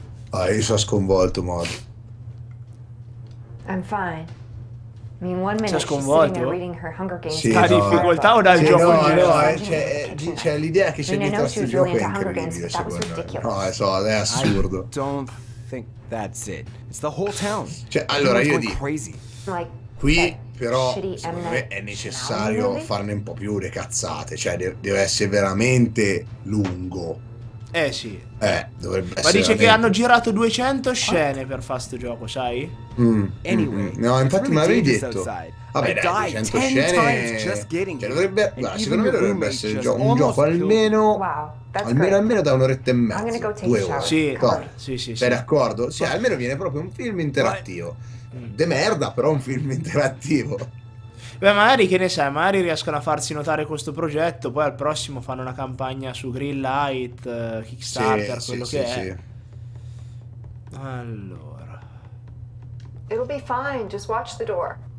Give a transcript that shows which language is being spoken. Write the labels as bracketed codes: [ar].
[it] Ah, io sono sconvolto, Mod. [en] I'm fine. I mean, one minute. [it] Sono sconvolto. Sì, sta difficoltà o dal gioco? No, no, c'è l'idea che c'è dietro questo gioco è incredibile, secondo me. No, è assurdo. [en] Think that's it. It's the whole town. [it] Cioè, allora io dico, qui però secondo me è necessario farne un po' più le cazzate, cioè deve essere veramente lungo. Eh sì. Dovrebbe ma essere. Ma dice che hanno girato 200 scene per fare sto gioco, sai? Anyway. No, infatti me l'avevi detto. Vabbè, dai, 200 scene. Cioè, dovrebbe, guarda, secondo me dovrebbe essere un gioco almeno almeno da un'oretta e mezza, due ore. Sì, sì, sì. Sei d'accordo? Sì, almeno viene proprio un film interattivo. De merda, però un film interattivo. Beh, magari che ne sai, magari riescono a farsi notare questo progetto, poi al prossimo fanno una campagna su Green Light, Kickstarter, sì, quello sì, che sì, è. Sì. Allora. [en] It'll be fine, just watch the door.